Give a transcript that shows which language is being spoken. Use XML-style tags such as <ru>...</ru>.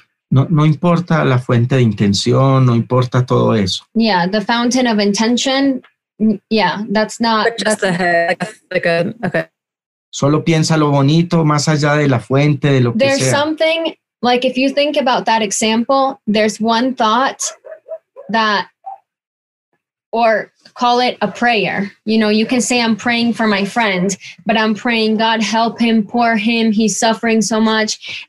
<es>No importa la fuente de intención, no importa todo eso.</es> <en>Yeah, the fountain of intention, yeah, that's not... But just okay.</en> <es>Solo piensa lo bonito más allá de la fuente, de lo que sea.</es> <en>There's something, like if you think about that example, there's one thought that, or call it a prayer. You know, you can say I'm praying for my friend, but I'm praying God help him, poor him, he's suffering so much.</en>